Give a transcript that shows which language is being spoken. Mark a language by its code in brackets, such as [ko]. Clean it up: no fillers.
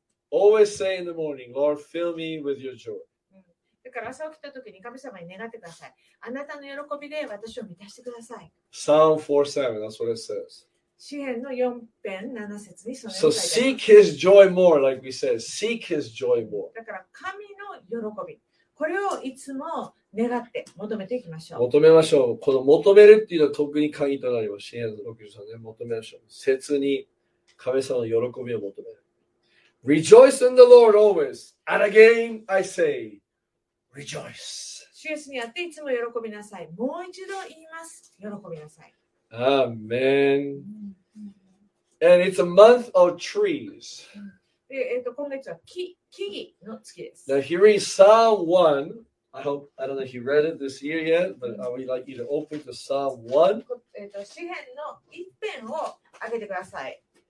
[en] Always say in the morning, Lord, fill me with your joy. [ja] から朝起きた時に神様に願ってください。あなたの喜びで私を満たしてください。 [en] Psalm 4:7, that's what it says. [ja] 詩編の4編7節にそのように書いてあります。 [en] So seek his joy more, like we said. Seek his joy more. [ja] だから神の喜び。これをいつも願って求めていきましょう。求めましょう。この求めるっていうのは特に鍵となります。詩編63で求めましょう。切に神様の喜びを求める。 [en] Rejoice in the Lord always. And again, I say. Rejoice. [ja] 主にあっていつも喜びなさい。もう一度言います。喜びなさい。 [en] Amen. And it's a month of trees. [ja] 今月は木々の月です。 [en] Now hearing Psalm 1, I hope, I don't know if you read it this year yet, but I would like you to open to Psalm 1. [ja] 詩編の一編を開けてください。